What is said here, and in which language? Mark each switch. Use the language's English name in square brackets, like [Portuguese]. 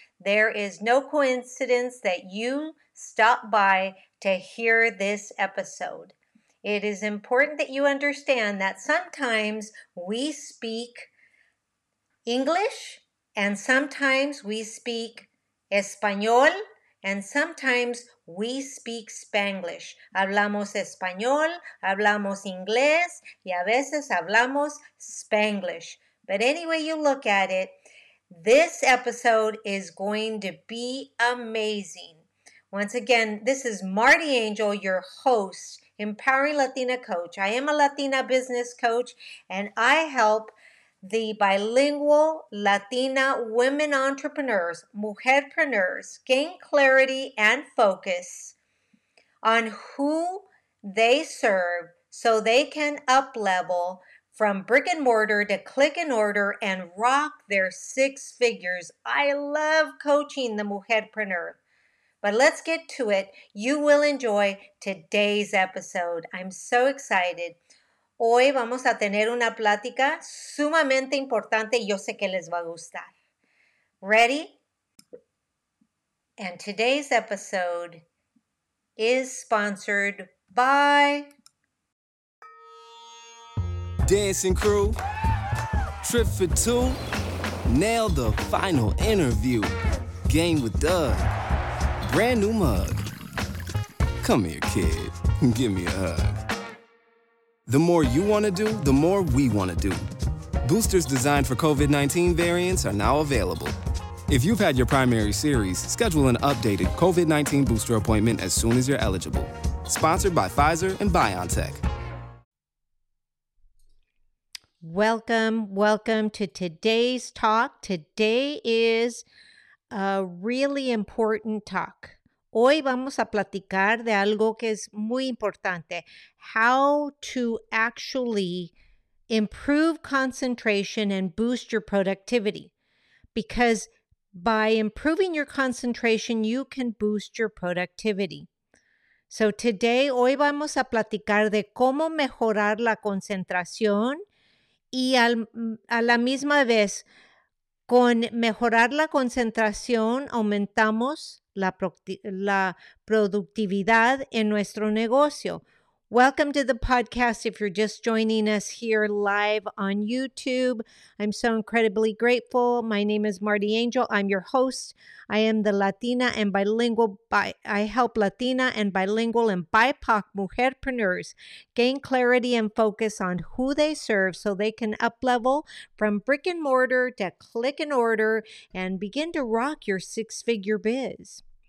[English] There is no coincidence that you stop by to hear this episode. It is important that you understand that sometimes we speak English, and sometimes we speak Español, and sometimes we speak Spanglish. [Spanish] Hablamos Español, hablamos Inglés, y a veces hablamos Spanglish. [English] But anyway you look at it, this episode is going to be amazing. Once again, this is Marty Angel, your host, Empowering Latina Coach. I am a Latina business coach, and I help the bilingual Latina women entrepreneurs, mujerpreneurs, gain clarity and focus on who they serve so they can up-level from brick and mortar to click and order and rock their six figures. I love coaching the mujerpreneur. But let's get to it. You will enjoy today's episode. I'm so excited. [Spanish] Hoy vamos a tener una plática sumamente importante y yo sé que les va a gustar. [English] Ready? And today's episode is sponsored by Dancing Crew, Trip for Two, Nail the Final Interview, Game with Doug, Brand New Mug. Come here, kid, give me a hug. The more you want to do, the more we want to do. Boosters designed for COVID-19 variants are now available. If you've had your primary series, schedule an updated COVID-19 booster appointment as soon as you're eligible. Sponsored by Pfizer and BioNTech. Welcome, welcome to today's talk. Today is a really important talk. [Spanish] Hoy vamos a platicar de algo que es muy importante. [English] How to actually improve concentration and boost your productivity. Because by improving your concentration, you can boost your productivity. So today, [Spanish] hoy vamos a platicar de cómo mejorar la concentración. Y a la misma vez, con mejorar la concentración, aumentamos la productividad en nuestro negocio. [English] Welcome to the podcast if you're just joining us here live on YouTube. I'm so incredibly grateful. My name is Marty Angel. I'm your host. I am the Latina and bilingual, I help Latina and bilingual and BIPOC mujerpreneurs gain clarity and focus on who they serve so they can up-level from brick and mortar to click and order and begin to rock your six-figure biz.